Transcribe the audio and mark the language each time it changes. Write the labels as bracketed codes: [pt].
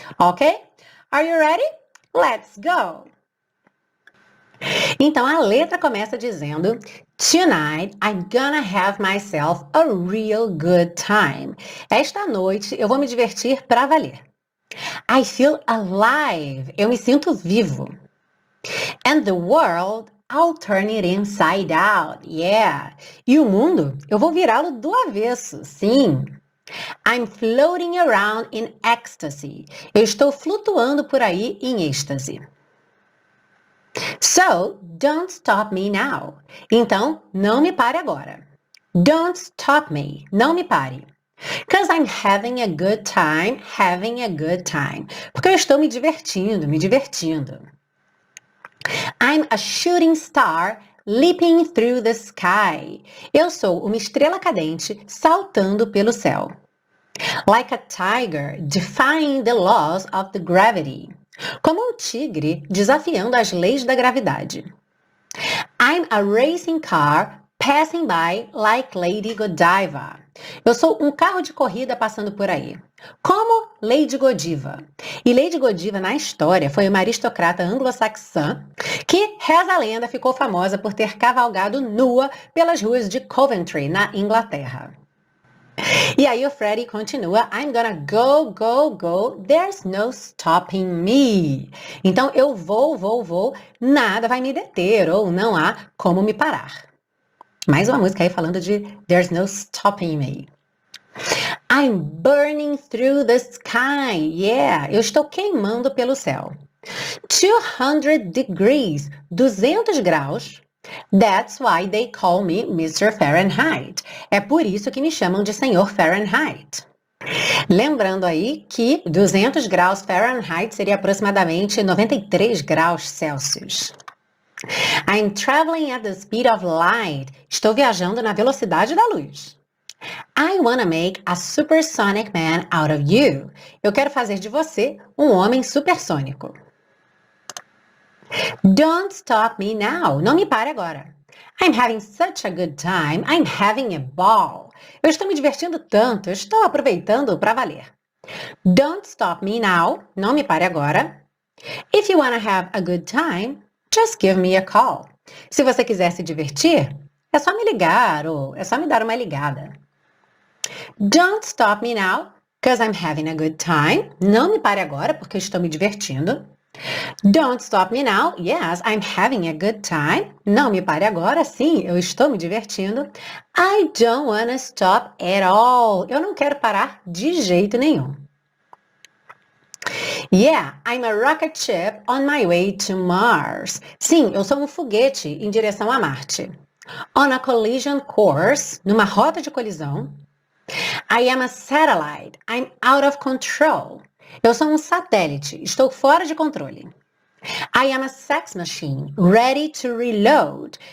[en] Ok? Are you ready? Let's go! [pt] Então a letra começa dizendo: [en] Tonight I'm gonna have myself a real good time. [pt] Esta noite eu vou me divertir pra valer. [en] I feel alive. [pt] Eu me sinto vivo. [en] And the world, I'll turn it inside out. Yeah. [pt] E o mundo, eu vou virá-lo do avesso. Sim. [en] I'm floating around in ecstasy. [pt] Eu estou flutuando por aí em êxtase. [en] So, don't stop me now. [pt] Então, não me pare agora. [en] Don't stop me. [pt] Não me pare. [en] 'Cause I'm having a good time, having a good time. [pt] Porque eu estou me divertindo, me divertindo. [en] I'm a shooting star leaping through the sky. [pt] Eu sou uma estrela cadente saltando pelo céu. [en] Like a tiger defying the laws of the gravity. [pt] Como um tigre desafiando as leis da gravidade. [en] I'm a racing car passing by like Lady Godiva. [pt] Eu sou um carro de corrida passando por aí. Como Lady Godiva. E Lady Godiva, na história, foi uma aristocrata anglo-saxã que, reza a lenda, ficou famosa por ter cavalgado nua pelas ruas de Coventry, na Inglaterra. E aí o Freddie continua: [en] I'm gonna go, go, go, there's no stopping me. [pt] Então eu vou, vou, vou, nada vai me deter, ou não há como me parar. Mais uma música aí falando de [en] there's no stopping me. I'm burning through the sky, yeah, [pt] eu estou queimando pelo céu. [en] 200 degrees, 200 graus, That's why they call me Mr. Fahrenheit. [pt] É por isso que me chamam de Senhor Fahrenheit. Lembrando aí que 200 graus Fahrenheit seria aproximadamente 93 graus Celsius. [en] I'm traveling at the speed of light. [pt] Estou viajando na velocidade da luz. [en] I wanna make a supersonic man out of you. [pt] Eu quero fazer de você um homem supersônico. [en] Don't stop me now. [pt] Não me pare agora. [en] I'm having such a good time. I'm having a ball. [pt] Eu estou me divertindo tanto. Estou aproveitando para valer. [en] Don't stop me now. [pt] Não me pare agora. [en] If you wanna have a good time, just give me a call. [pt] Se você quiser se divertir, é só me ligar ou é só me dar uma ligada. [en] Don't stop me now, because I'm having a good time. [pt] Não me pare agora, porque eu estou me divertindo. [en] Don't stop me now. Yes, I'm having a good time. [pt] Não me pare agora. Sim, eu estou me divertindo. [en] I don't wanna stop at all. [pt] Eu não quero parar de jeito nenhum. [en] Yeah, I'm a rocket ship on my way to Mars. [pt] Sim, eu sou um foguete em direção a Marte. [en] On a collision course, [pt] numa rota de colisão. [en] I am a satellite. I'm out of control. [pt] Eu sou um satélite, estou fora de controle. [en] I am a sex machine, ready to reload.